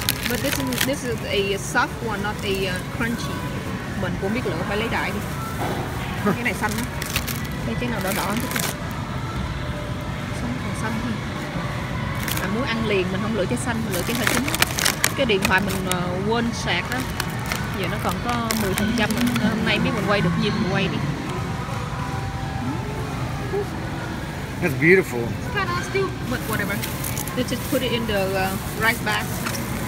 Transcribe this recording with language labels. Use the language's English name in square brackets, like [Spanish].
[English] But this is a soft one, not a crunchy. [Vietnamese] Mình cũng biết lựa, phải lấy đại đi. Cái này xanh á. Cái trái nào đỏ đỏ chút. Xanh xanh thì muốn ăn liền, mình không lựa trái xanh, mình lựa trái hơi chín. Cái điện thoại mình quên sạc đó. Giờ nó còn có 10%. Hôm nay biết mình quay được gì, mình quay đi. [English] That's beautiful. It's kind of still, but whatever. Let's just put it in the rice bag.